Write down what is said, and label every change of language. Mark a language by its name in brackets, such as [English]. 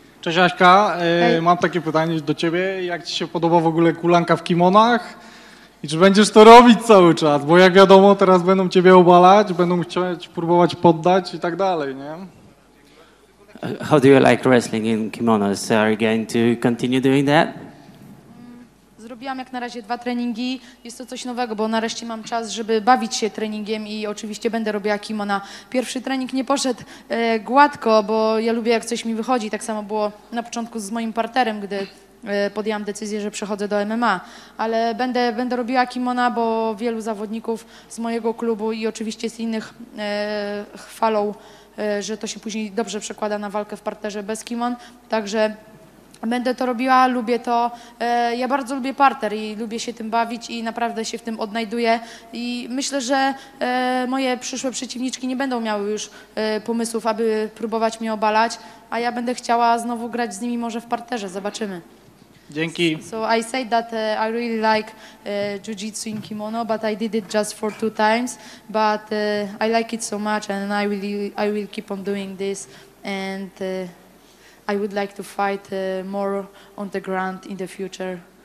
[Polish] Cześć Aśka, mam takie pytanie do ciebie. Jak ci się podoba w ogóle kulanka w kimonach? I czy będziesz to robić cały czas? Bo jak wiadomo, teraz będą ciebie obalać, będą chcieć próbować poddać i tak dalej, nie? [English] How do you like wrestling in kimonos? Are you going to continue doing that? [Polish] Zrobiłam jak na razie dwa treningi. Jest to coś nowego, bo nareszcie mam czas, żeby bawić się treningiem i oczywiście będę robiła kimona. Pierwszy trening nie poszedł gładko, bo ja lubię, jak coś mi wychodzi. Tak samo było na początku z moim parterem, gdy podjęłam decyzję, że przechodzę do MMA. Ale będę robiła kimona, bo wielu zawodników z mojego klubu i oczywiście z innych chwalą, że to się później dobrze przekłada na walkę w parterze bez kimon. Także będę to robiła, lubię to. Ja bardzo lubię parter i lubię się tym bawić i naprawdę się w tym odnajduję. I myślę, że moje przyszłe przeciwniczki nie będą miały już pomysłów, aby próbować mnie obalać, a ja będę chciała znowu grać z nimi może w parterze. Zobaczymy. Dzięki. [English] So I said that I really like jiu-jitsu in kimono, but I did it just for two times. But I like it so much, and I will keep on doing this. And I would like to fight more on the ground in the future.